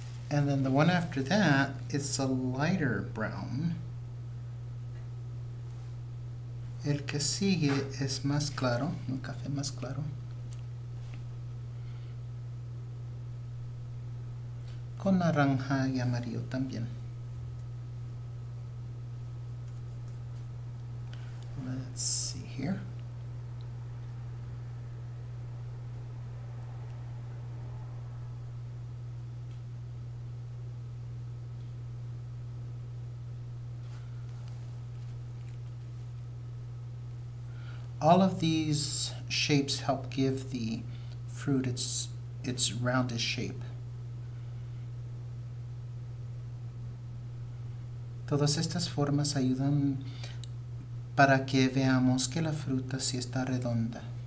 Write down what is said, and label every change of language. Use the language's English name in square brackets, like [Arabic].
[English] And then the one after that is a lighter brown. [Spanish] El que sigue es más claro, un café más claro. Con naranja y amarillo también. [English] Let's see here. All of these shapes help give the fruit its roundest shape. [Spanish] Todas estas formas ayudan para que veamos que la fruta sí está redonda.